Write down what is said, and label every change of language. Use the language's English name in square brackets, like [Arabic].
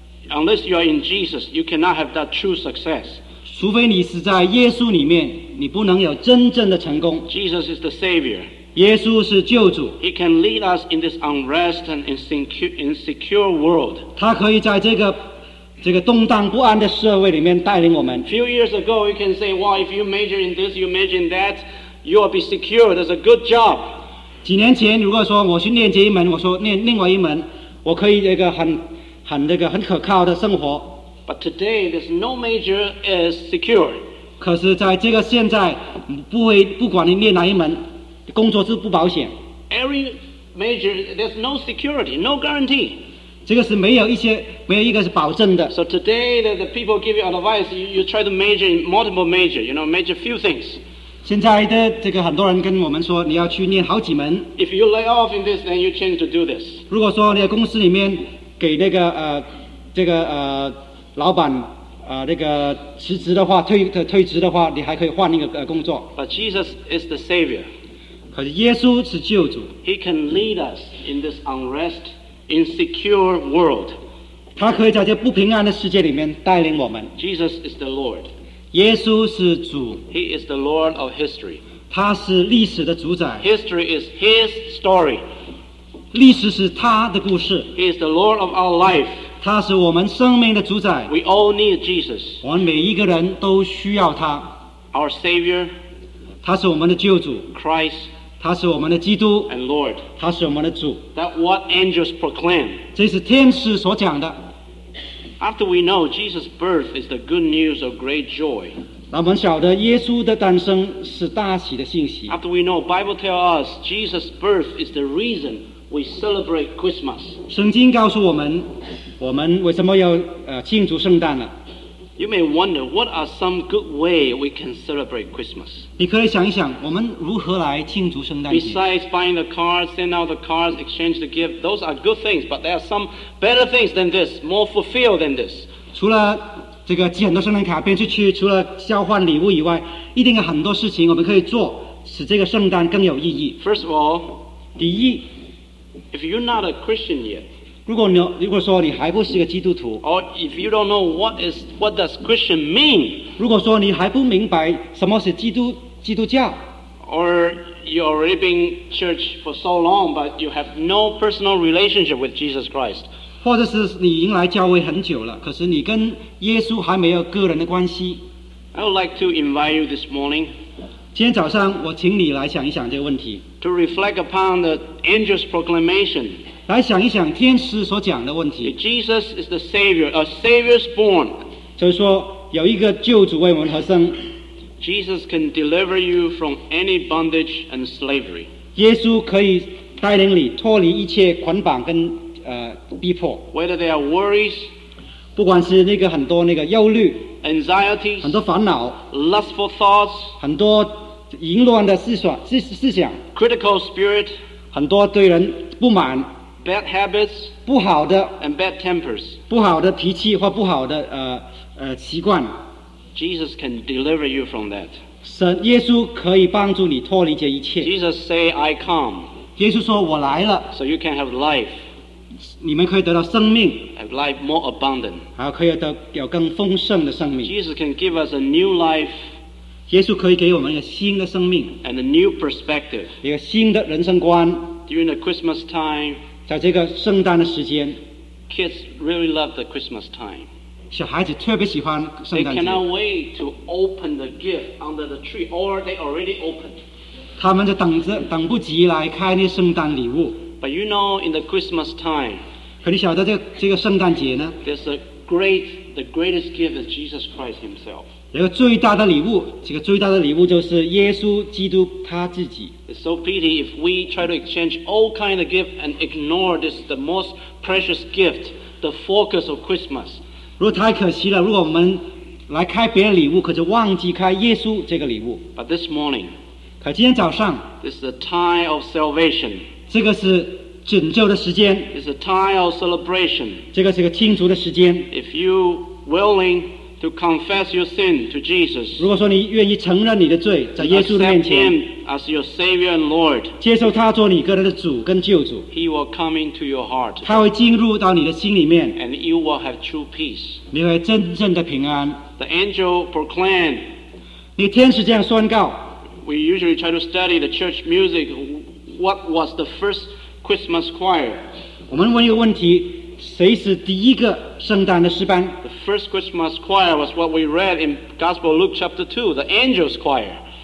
[English] Unless you are in Jesus, you cannot have that true success. [Chinese] 除非你是在耶稣里面，你不能有真正的成功。 [English] Jesus is the Savior. [Chinese] 耶稣是救主。 [English] He can lead us in this unrest and insecure world. [Chinese] 他可以在这个动荡不安的社会里面带领我们。 [English] Few years ago, you can say, "Well, if you major in this, you major in that, you will be secure. That's a good job." [Chinese] 几年前，如果说我去念这一门，我说念另外一门，我可以这个很可靠的生活。 [English] But today, there's no major is secure. [Chinese] 可是在这个现在，不管你念哪一门，工作是不保险。 [English] Every major, there's no security, no guarantee. [Chinese] 这个是没有一个是保证的。 [English] So today, the people give you advice, you try to major in multiple major, you know, major few things. [Chinese] 现在的这个很多人跟我们说，你要去念好几门。 [English] If you lay off in this, then you change to do this. [Chinese] 如果说你在公司里面给那个老板那个辞职的话，退职的话，你还可以换一个工作。 [English] But Jesus is the Savior. [Chinese] 可是耶稣是救主。 [English] He can lead us in this unrest, insecure world. [Chinese] 他可以在这不平安的世界里面带领我们。 [English] Jesus is the Lord. [Chinese] 耶稣是主。 [English] He is the Lord of history. [Chinese] 他是历史的主宰。 [English] History is His story. [Chinese] 历史是他的故事。 [English] He is the Lord of our life. [Chinese] 他是我们生命的主宰。 [English] We all need Jesus. [Chinese] 我们每一个人都需要他。 [English] Our Savior. [Chinese] 他是我们的救主。 [English] Christ. [Chinese] 他是我们的基督。 [English] And Lord. [Chinese] 他是我们的主。 [English] That's what angels proclaim. [Chinese] 这是天使所讲的。 [English] After we know Jesus' birth is the good news of great joy. [Chinese] 那我们晓得耶稣的诞生是大喜的信息。 [English] After we know, Bible tells us Jesus' birth is the reason we celebrate Christmas. [Chinese] 圣经告诉我们，我们为什么要庆祝圣诞呢？ [English] You may wonder what are some good way we can celebrate Christmas. [Chinese] 你可以想一想，我们如何来庆祝圣诞节 [English] ？Besides buying the cards, send out the cards, exchange the gift, those are good things. But there are some better things than this, more fulfilled than this. [Chinese] 除了这个寄很多圣诞卡片出去，除了交换礼物以外，一定有很多事情我们可以做，使这个圣诞更有意义。 [English] First of all, [Chinese] 第一 [English] ，if you're not a Christian yet， [Chinese] 如果说你还不是个基督徒 [English] ，or if you don't know what does Christian mean， [Chinese] 如果说你还不明白什么是基督教 [English] ，or you already been church for so long but you have no personal relationship with Jesus Christ。 [Chinese] 或者是你迎来教会很久了，可是你跟耶稣还没有个人的关系。 [English] I would like to invite you this morning. [Chinese] 今天早上我请你来想一想这个问题。 [English] To reflect upon the angel's proclamation. [Chinese] 来想一想天使所讲的问题。 [English] If Jesus is the Savior, a Savior's born. [Chinese] 就是说有一个救主为我们而生。 [English] Jesus can deliver you from any bondage and slavery. [Chinese] 耶稣可以带领你脱离一切捆绑跟逼迫。 [English] Whether they are worries, [Chinese] 不管是那个很多那个忧虑 [English] ，anxieties， [Chinese] 很多烦恼 [English] ，lustful thoughts， [Chinese] 很多淫乱的思想 [English] ，critical spirit， [Chinese] 很多对人不满 [English] ，bad habits， [Chinese] 不好的 [English] ，and bad tempers， [Chinese] 不好的脾气或不好的习惯。 [English] Jesus can deliver you from that. [Chinese] 神耶稣可以帮助你脱离这一切。 [English] Jesus say, "I come." [Chinese] 耶稣说我来了。 [English] So you can have life. [Chinese] 你们可以得到生命 [English] have life more abundant. [Chinese] 还可以得有更丰盛的生命。 [English] Jesus can give us a new life. [Chinese] 耶稣可以给我们一个新的生命 [English] and a new perspective. [Chinese] 一个新的人生观。 [English] During the Christmas time, [Chinese] 在这个圣诞的时间 [English] kids really love the Christmas time. They cannot wait to open the gift under the tree, or they already opened. [Chinese] 他们就等不及来开那圣诞礼物。 [English] But you know, in the Christmas time, [Chinese] 可你晓得这个圣诞节呢? [English] There's a great, the greatest gift is Jesus Christ himself. [Chinese] 这个最大的礼物就是耶稣基督他自己。 [English] It's so pity if we try to exchange all kinds of gifts and ignore this, the most precious gift, the focus of Christmas. [Chinese] 如果太可惜了,如果我们来开别的礼物,可就忘记开耶稣这个礼物。 [English] But this morning, [Chinese] 可今天早上, [English] this is the time of salvation. [Chinese] 这个是拯救的时间, [English] it's a time of celebration. [Chinese] 这个是个庆祝的时间, [English] if you willing to confess your sin to Jesus, [Chinese] 如果说你愿意承认你的罪, 在耶稣的面前, [English] accept him as your Savior and Lord, [Chinese] 接受他做你个人的主跟救主, [English] he will come into your heart, [Chinese] 他会进入到你的心里面, [English] and you will have true peace. [Chinese] 你会真正的平安。 [English] The angel proclaimed, [Chinese] 你天使这样宣告, [English] we usually try to study the church music, what was the first Christmas choir? [Chinese] 我们问一个问题, 谁是第一个圣诞的诗班? [English] The first Christmas choir was what we read in Gospel Luke chapter 2, the angel's choir.